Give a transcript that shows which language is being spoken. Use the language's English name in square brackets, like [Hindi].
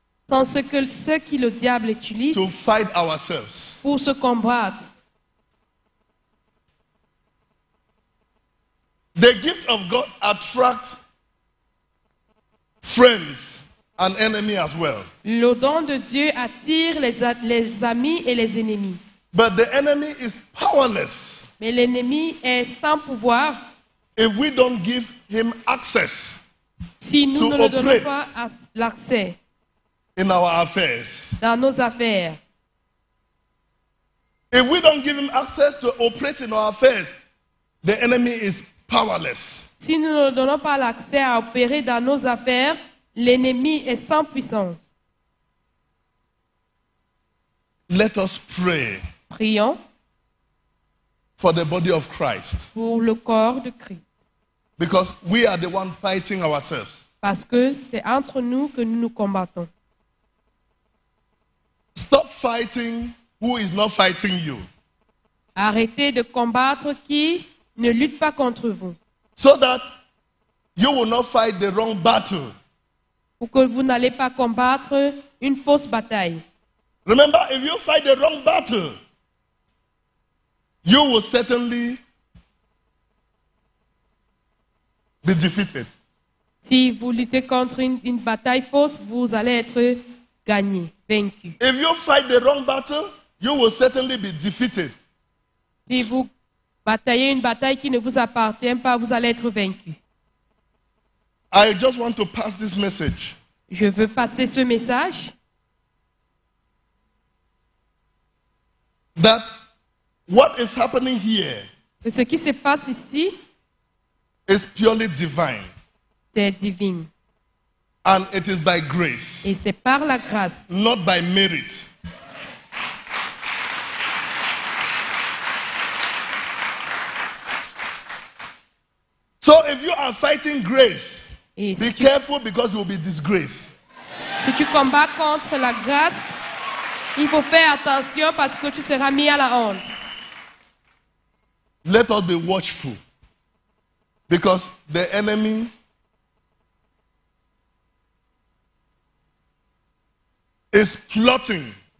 [French] ce que le diable utilise [English] to fight ourselves. [French] Pour se combattre. [English] The gift of God attracts friends and enemies as well. [French] Le don de Dieu attire les amis et les ennemis. [English] But the enemy is powerless. [French] Mais l'ennemi est sans pouvoir. [English] If we don't give him access, [French] si nous to ne lui donnons pas l'accès, [English] in our affairs, [French] dans nos affaires, [English] if we don't give him access to operate in our affairs, the enemy is powerless. [French] Si nous ne lui donnons pas l'accès à opérer dans nos affaires, l'ennemi est sans puissance. [English] Let us pray. [French] Prions. [English] For the body of Christ. [French] Pour le corps de Christ. [English] Because we are the one fighting ourselves. [French] Parce que c'est entre nous que nous nous combattons. [English] Stop fighting who is not fighting you. [French] Arrêtez de combattre qui ne lutte pas contre vous. [English] So that you will not fight the wrong battle. [French] Pour que vous n'allez pas combattre une fausse bataille. [English] Remember, if you fight the wrong battle, you will certainly be defeated. [French] Si vous luttez contre une bataille fausse, vous allez être gagné, vaincu. [English] If you fight the wrong battle, you will certainly be defeated. [French] Si vous bataillez une bataille qui ne vous appartient pas, vous allez être vaincu. [English] I just want to pass this message. [French] Je veux passer ce message. [English] That what is happening here, [French] ce qui se passe ici, [English] is purely divine. [French] C'est divin. [English] And it is by grace. [French] Et c'est par la grâce. [English] Not by merit. So if you are fighting grace, be careful because you will be disgraced. [French] Si tu combats contre la grâce, il faut faire attention parce que tu seras mis à la honte. [English] Let us be watchful because the enemy is plotting.